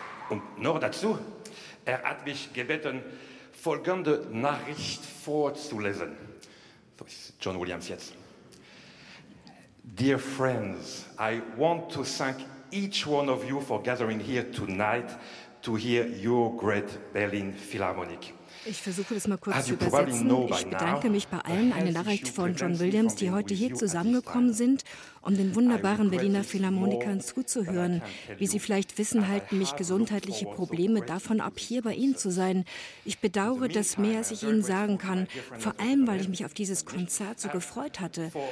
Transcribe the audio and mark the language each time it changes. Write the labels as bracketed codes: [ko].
[de] Und noch dazu, er hat mich gebeten, folgende Nachricht vorzulesen. So ist John Williams jetzt. [en] Dear friends, I want to thank each one of you for gathering here tonight to hear your great Berlin Philharmonic. [de] Ich versuche das mal kurz zu übersetzen. Ich bedanke mich bei allen, eine Nachricht von John Williams, die heute hier zusammengekommen sind, um den wunderbaren Berliner Philharmonikern zuzuhören. Wie Sie vielleicht wissen, halten mich gesundheitliche Probleme davon ab, hier bei Ihnen zu sein. Ich bedauere das mehr, als ich Ihnen sagen kann, vor allem, weil ich mich auf dieses Konzert so gefreut hatte.